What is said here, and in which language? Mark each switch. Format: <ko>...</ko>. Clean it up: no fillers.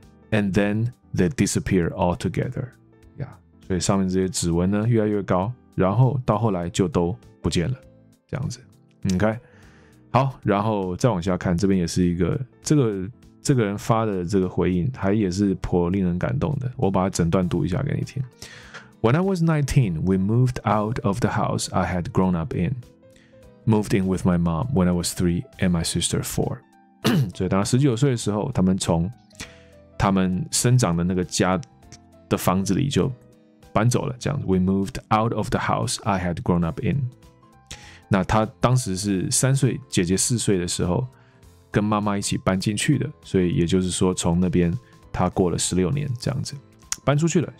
<en>and then they disappear altogether， yeah，</en> <zh>所以上面这些指纹呢越来越高，然后到后来就都不见了，这样子 ，OK， 好，然后再往下看，这边也是一个这个人发的这个回应，还也是颇令人感动的。我把它整段读一下给你听。</zh> <en>When I was 19, we moved out of the house I had grown up in. Moved in with my mom when I was 3 and my sister 4.</en> <zh>所以当他19岁的时候，他们从他们生长的那个家的房子里就搬走了，这样子。</zh> <en>We moved out of the house I had grown up in.</en> <zh>那他当时是三岁，姐姐四岁的时候，跟妈妈一起搬进去的，所以也就是说，从那边他过了16年这样子，搬出去了。</zh>